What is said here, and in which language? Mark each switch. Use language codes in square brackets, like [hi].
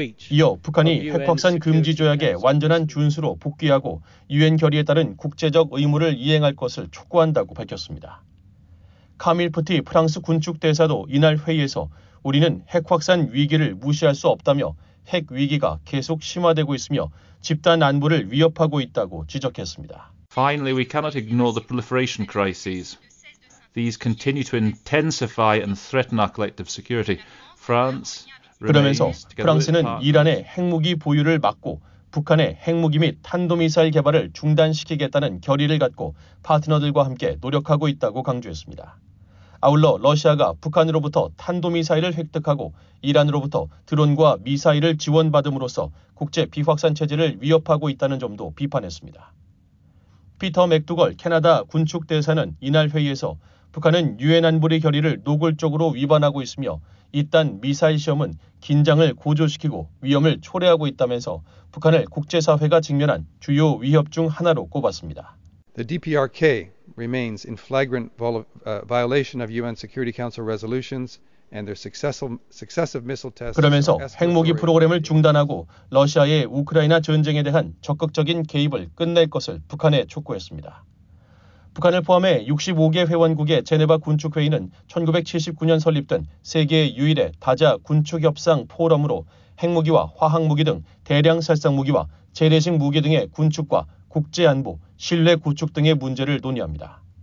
[ko] 이어 북한이 핵확산 금지 조약에 완전한 준수로 복귀하고 유엔 결의에 따른 국제적 의무를 이행할 것을 촉구한다고 밝혔습니다. 카밀 푸티 프랑스 군축 대사도 이날 회의에서 우리는 핵확산 위기를 무시할 수 없다며 핵 위기가 계속 심화되고 있으며 집단 안보를 위협하고 있다고 지적했습니다. [en] Finally, we cannot ignore the proliferation crises. These continue to intensify and threaten our collective security. France. [ko] 그러면서 프랑스는 이란의 핵무기 보유를 막고 북한의 핵무기 및 탄도미사일 개발을 중단시키겠다는 결의를 갖고 파트너들과 함께 노력하고 있다고 강조했습니다. 아울러 러시아가 북한으로부터 탄도미사일을 획득하고 이란으로부터 드론과 미사일을 지원받음으로써 국제 비확산 체제를 위협하고 있다는 점도 비판했습니다. 피터 맥두걸 캐나다 군축대사는 이날 회의에서 북한은 유엔 안보리 결의를 노골적으로 위반하고 있으며 이딴 미사일 시험은 긴장을 고조시키고 위험을 초래하고 있다면서 북한을 국제사회가 직면한 주요 위협 중 하나로 꼽았습니다. The DPRK remains in flagrant violation of UN Security Council resolutions and their successive missile tests. 그러면서 핵무기 프로그램을 중단하고 러시아의 우크라이나 전쟁에 대한 적극적인 개입을 끝낼 것을 북한에 촉구했습니다. 북한을 포함해 65개 회원국의 제네바 군축회의는 1979년 설립된 세계 유일의 다자 군축협상 포럼으로 핵무기와 화학무기 등 대량 살상무기와 재래식 무기 등의 군축과 국제안보, 신뢰 구축 등의 문제를 논의합니다.